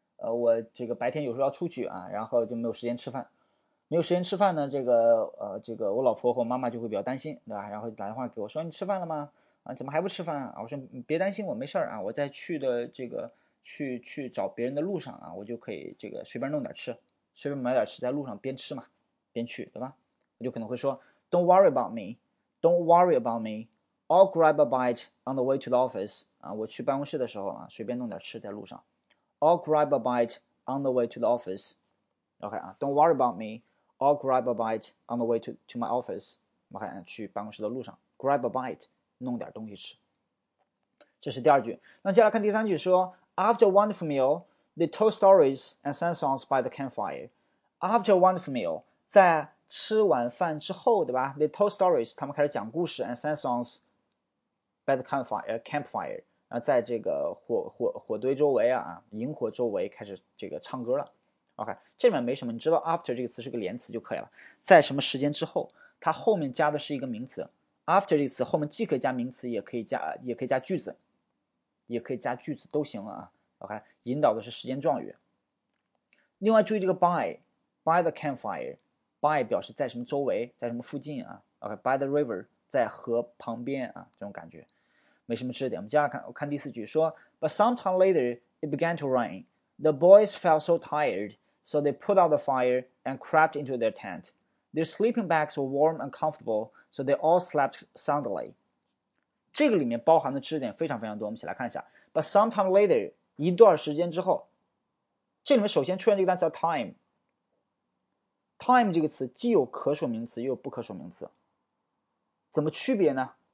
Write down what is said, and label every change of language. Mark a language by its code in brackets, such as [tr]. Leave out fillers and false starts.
[zh] 我这个白天有时候要出去啊，然后就没有时间吃饭，没有时间吃饭呢，这个我老婆和我妈妈就会比较担心，对吧？然后就打电话给我说你吃饭了吗？啊，怎么还不吃饭啊？我说你别担心，我没事儿啊，我在去的这个去找别人的路上啊，我就可以这个随便弄点吃，随便买点吃，在路上边吃嘛，边去，对吧？ [en] 我就可能会说 Don't worry about me, Don't worry about me, I'll grab a bite on the way to the office 啊， [zh] 我去办公室的时候啊，随便弄点吃在路上。 [en] I'll grab a bite on the way to the office. OK 啊，Don't worry about me. I'll grab a bite on the way to my office. [zh] OK 啊，去办公室的路上，grab a bite，弄点东西吃。这是第二句。那接下来看第三句说，说 [en] After a wonderful meal, they told stories and sang songs by the campfire. After a wonderful meal， [zh] 在吃晚饭之后，对吧？ [en] They told stories， [zh] 他们开始讲故事， [en] and sang songs by the campfire。 [zh] 啊，在这个火堆周围啊，萤火周围开始这个唱歌了。 OK，这里面没什么，你知道 after 这个词是个连词就可以了。在什么时间之后，它后面加的是一个名词。 after 这个词后面既可以加名词，也可以加句子，也可以加句子都行啊。 OK，引导的是时间状语。另外注意这个 [en] by the campfire， [zh] by 表示在什么周围，在什么附近啊。 OK， [en] by the river [zh] 在河旁边啊，这种感觉。没什么知识点，我们接下来看，我看第四句说， [en] But sometime later it began to rain. The boys felt so tired, so they put out the fire and crept into their tent. Their sleeping bags were warm and comfortable, so they all slept soundly. [zh] 这个里面包含的知识点非常非常多，我们一起来看一下。 [en] But sometime later， [zh] 一段时间之后，这里面首先出现这个单词叫 time。 time 这个词既有可数名词，也有不可数名词，怎么区别呢？